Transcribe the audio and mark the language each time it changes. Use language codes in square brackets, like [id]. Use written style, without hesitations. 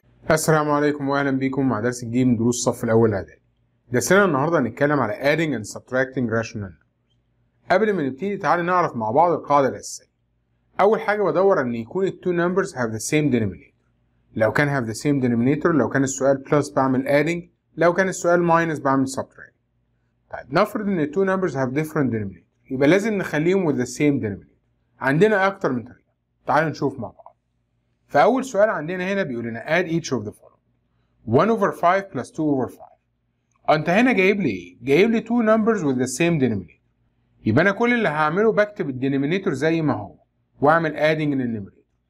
[ar] السلام عليكم واهلا بكم مع درس جديد من دروس الصف الاول اعدادي. درسنا النهارده هنتكلم على [en] adding and subtracting rational numbers. [ar] قبل ما نبتدي تعالى نعرف مع بعض القاعده الاساسيه. اول حاجه بدور ان يكون [en] التو numbers have the same denominator. [ar] لو كان [en] have the same denominator، [ar] لو كان السؤال بلس بعمل adding، لو كان السؤال ماينس بعمل subtracting. طيب نفرض ان [en] التو numbers have different denominator، [ar] يبقى لازم نخليهم [en] with the same denominator. [ar] عندنا اكتر من طريقه، تعالى نشوف مع بعض. فأول سؤال عندنا هنا بيقول لنا [en] add each of the following 1 over 5 plus 2 over 5. [ar] أنت هنا جايب لي إيه؟ جايب لي [en] two numbers with the same denominator. [ar] يبقى أنا كل اللي هعمله بكتب الدينومينيتور زي ما هو وأعمل [en] adding in the numerator.